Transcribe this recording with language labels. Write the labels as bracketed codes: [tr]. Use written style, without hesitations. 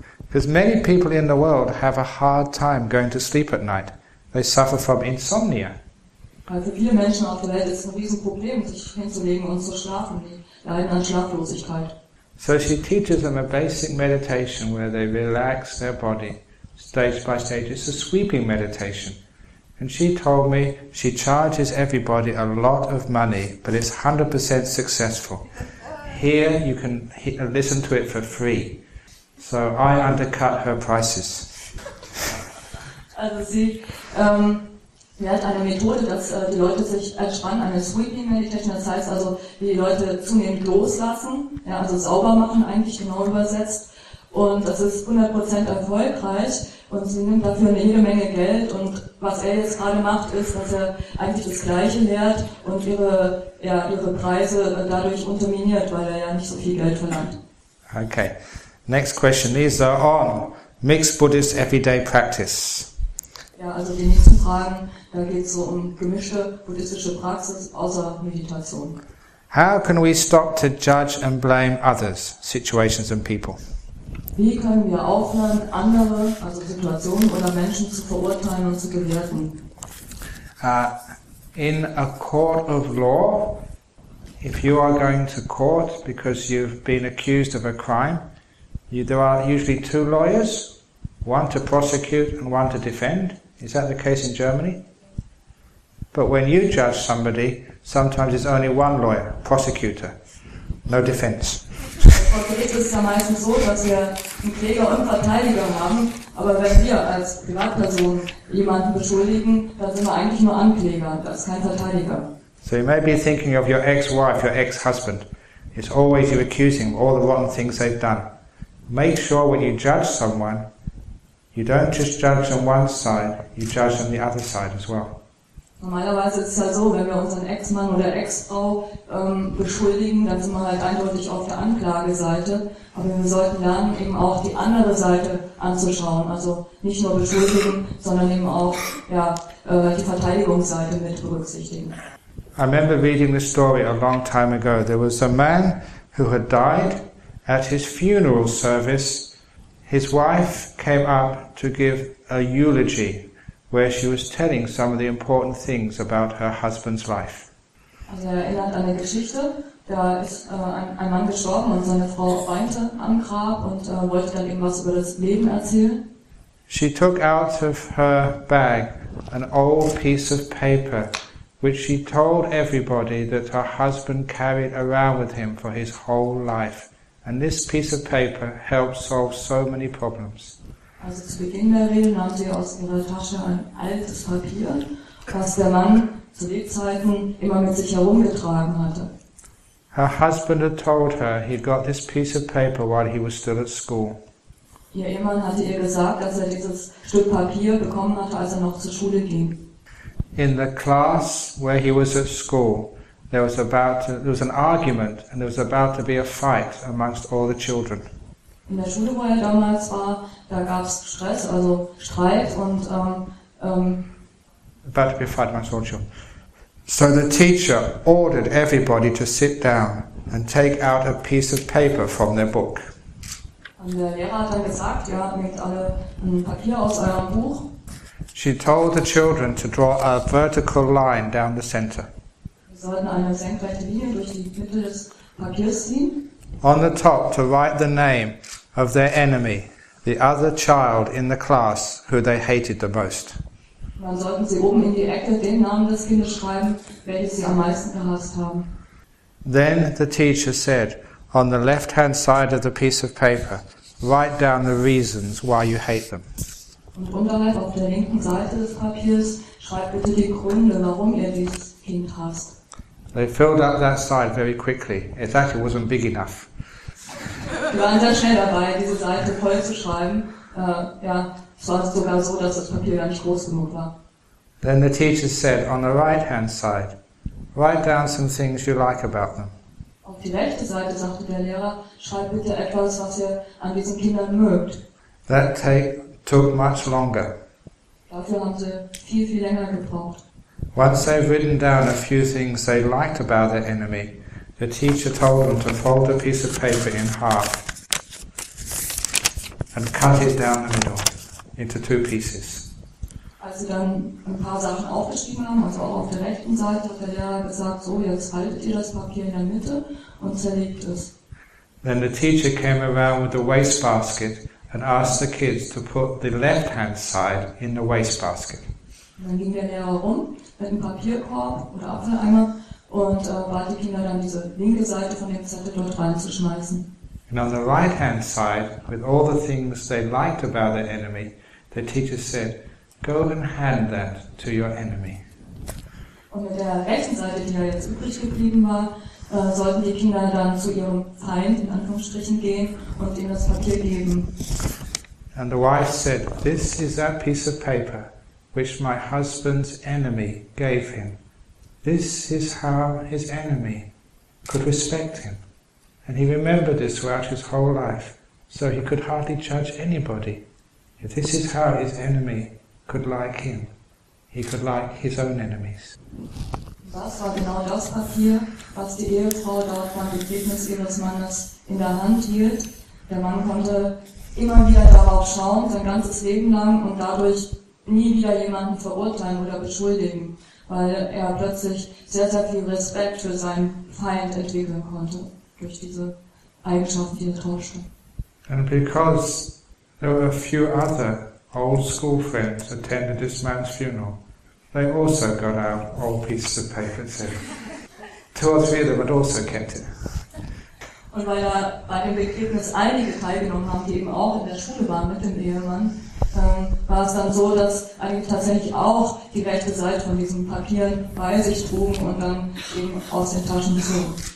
[en] Because many people in the world have a hard time going to sleep at night. They suffer from insomnia. [de] Also viele Menschen auf der Welt ist ein Riesenproblem, sich hinzulegen und zu schlafen. Die leiden an Schlaflosigkeit. [en] So she teaches them a basic meditation where they relax their body stage by stage. It's a sweeping meditation. And she told me she charges everybody a lot of money, but it's 100% successful. Here you can listen to it for free. So I undercut her prices. [de] Also sie hat eine Methode, dass die Leute sich entspannen, eine [en] sweeping meditation, [de] das heißt also, die Leute zunehmend loslassen, ja, also sauber machen, eigentlich genau übersetzt. Und das ist 100% erfolgreich und sie nimmt dafür eine jede Menge Geld und was er jetzt gerade macht, ist, dass er eigentlich das Gleiche lehrt und ihre Preise dadurch unterminiert, weil er ja nicht so viel Geld verlangt. [en] Okay. Next question. These are on mixed Buddhist everyday practice. [de] Ja, also die nächsten Fragen, da geht es so um gemischte buddhistische Praxis außer Meditation. [en] How can we stop to judge and blame others, situations and people? [de] Wie können wir aufhören, andere, also Situationen oder Menschen zu verurteilen und zu bewerten? [en] In a court of law, if you are going to court because you've been accused of a crime, there are usually two lawyers, one to prosecute and one to defend. Is that the case in Germany? But when you judge somebody, sometimes it's only one lawyer, prosecutor, no defense. [de] Vor Gericht ist es ja meistens so, dass wir einen Kläger und Verteidiger haben, aber wenn wir als Privatperson jemanden beschuldigen, dann sind wir eigentlich nur Ankläger, das ist kein Verteidiger. [en] So you may be thinking of your ex-wife, your ex-husband. It's always you accusing all the wrong things they've done. Make sure when you judge someone, you don't just judge on one side, you judge on the other side as well. [de] Normalerweise ist es halt so, wenn wir unseren Ex-Mann oder Ex-Frau beschuldigen, dann sind wir halt eindeutig auf der Anklageseite. Aber wir sollten lernen, eben auch die andere Seite anzuschauen. Also nicht nur beschuldigen, sondern eben auch die Verteidigungsseite mit berücksichtigen. [en] I remember reading this story a long time ago. There was a man who had died. At his funeral service, his wife came up to give a eulogy where she was telling some of the important things about her husband's life. [de] Also er erinnert an eine Geschichte, da ist ein Mann gestorben und seine Frau weinte am Grab und wollte dann irgendwas über das Leben erzählen. [en] She took out of her bag an old piece of paper, which she told everybody that her husband carried around with him for his whole life. And this piece of paper helped solve so many problems. [de] Also zu Beginn der Rede nahm sie aus ihrer Tasche ein altes Papier, was der Mann zu Lebzeiten immer mit sich herumgetragen hatte. [en] Her husband had told her he got this piece of paper while he was still at school. [de] Ihr Ehemann hatte ihr gesagt, dass er dieses Stück Papier bekommen hatte, als er noch zur Schule ging. [en] In the class where he was at school, there was an argument and there was about to be a fight amongst all the children. [de] In der Schule, wo er damals war, da gab es Stress, also Streit und [en] about to be a fight amongst all the children. So the teacher ordered everybody to sit down and take out a piece of paper from their book. [de] Und der Lehrer hat dann gesagt, ja, nehmt alle ein Papier aus eurem Buch. [en] She told the children to draw a vertical line down the center. [de] Wir sollten eine senkrechte Linie durch die Mitte des Papiers ziehen. [en] On the top to write the name of their enemy, the other child in the class who they hated the most. [de] Dann sollten sie oben in die Ecke den Namen des Kindes schreiben, welches sie am meisten gehasst haben. [en] Then the teacher said, on the left-hand side of the piece of paper, write down the reasons why you hate them. [de] Und unterhalb auf der linken Seite des Papiers schreibt bitte die Gründe, warum ihr dieses Kind hasst. [en] They filled up that side very quickly. In fact, it wasn't big enough. [de] Sie waren sehr schnell dabei, diese Seite voll zu schreiben. Es war sogar so, dass das Papier gar nicht groß genug war. [en] Then the teacher said, on the right-hand side, write down some things you like about them. [de] Auf die rechte Seite, sagte der Lehrer, schreibt bitte etwas, was ihr an diesen Kindern mögt. [en] That took much longer. [de] Dafür haben sie viel, viel länger gebraucht. [en] Once they've written down a few things they liked about their enemy, the teacher told them to fold a piece of paper in half and cut it down the middle into two pieces. [de] Als sie dann ein paar Sachen aufgeschrieben haben, also auch auf der rechten Seite, hat der Lehrer gesagt, so, jetzt haltet ihr das Papier in der Mitte und zerlegt es. [en] Then the teacher came around with a waste basket and asked the kids to put the left-hand side in the waste basket. [de] Dann ging der Lehrer rum mit einem Papierkorb oder Apfeleimer und bat die Kinder dann diese linke Seite von dem Zettel dort reinzuschmeißen. [en] And on the right-hand side, with all the things they liked about their enemy, the teacher said, go and hand that to your enemy. [de] Und mit der rechten Seite, die ja jetzt übrig geblieben war, sollten die Kinder dann zu ihrem Feind, in Anführungsstrichen, gehen und ihnen das Papier geben. [en] And the wife said, this is that piece of paper which my husband's enemy gave him. This is how his enemy could respect him. And he remembered this throughout his whole life. So he could hardly judge anybody. If this is how his enemy could like him, he could like his own enemies. [de] Was war genau das Papier, was die Ehefrau dort beim Begräbnis ihres Mannes in der Hand hielt? Der Mann konnte immer wieder darauf schauen, sein ganzes Leben lang, und dadurch nie wieder jemanden verurteilen oder beschuldigen, weil er plötzlich sehr, sehr viel Respekt für seinen Feind entwickeln konnte, durch diese Eigenschaften, die er tauschte. [en] And because there were a few other old school friends attended this man's funeral, they also got out old pieces of paper, so two or three of them had also kept it. [de] Und weil bei dem Begräbnis einige teilgenommen haben, die eben auch in der Schule waren mit dem Ehemann, war es dann so, dass eigentlich tatsächlich auch die rechte Seite von diesen Papieren bei sich trugen und dann eben aus den Taschen zogen.